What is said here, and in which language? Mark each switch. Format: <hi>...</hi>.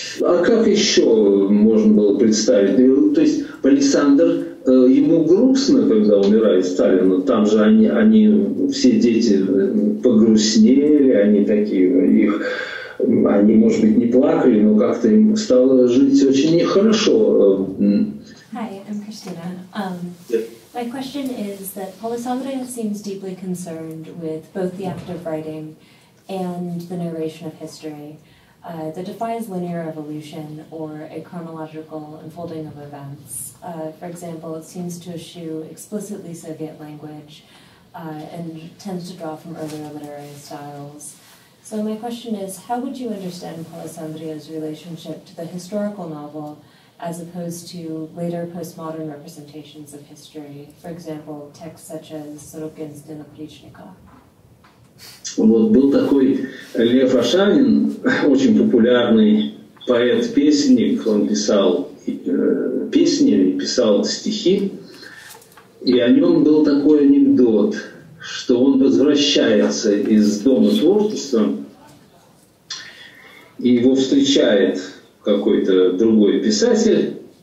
<ru>А как еще можно было представить? То есть Палисандр, ему грустно, когда умирает Сталин, но там же они все дети погрустнели, они такие, их, они, может быть, не плакали, но как-то им стало жить очень нехорошо.</ru> <en>Hi, I'm Christina. My question is that Palisandre seems deeply concerned with both the act of writing and the narration of history that defies linear evolution or a chronological unfolding of events. For example, it seems to eschew explicitly Soviet language and tends to draw from earlier literary styles. So my question is, how would you understand Palisandre's relationship to the historical novel as opposed to later postmodern representations of history? For example, texts such as Sorokin's Дин опричника.</en> <ru>Вот был такой Лев Ашанин, очень популярный поэт-песенник, он писал песни, писал стихи, и о нем был такой анекдот, что он возвращается из Дома творчества, и его встречает какой-то другой писатель,</ru>